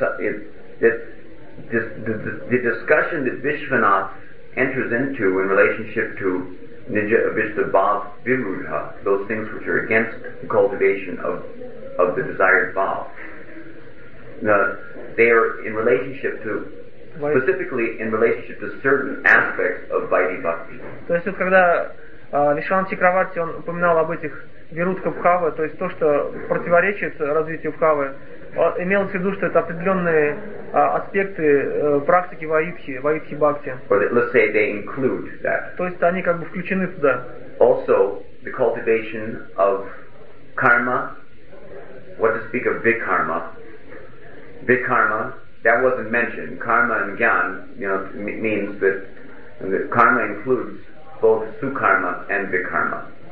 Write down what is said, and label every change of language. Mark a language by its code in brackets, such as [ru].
[en] The discussion that Vishwanath enters into in relationship to Nija Abhishta Bhav Virudha, those things which are against the cultivation of the desired Bhav, they are in relationship to, specifically in relationship to certain aspects of Vaidhi Bhakti. [ru] То есть вот когда Вишванат Чакраварти он упоминал об этих Вирудха Бхавы, то есть то, что противоречит развитию Бхавы, имелось в виду, что это определенные аспекты практики Ваидхи Бхакти. [en] Let's say they include that. [ru] То есть они как бы включены туда. [en] Also, the cultivation of karma, what to speak of vikarma. Vikarma, that wasn't mentioned. Karma and gyan, you know, means that karma includes both sukarma and vikarma.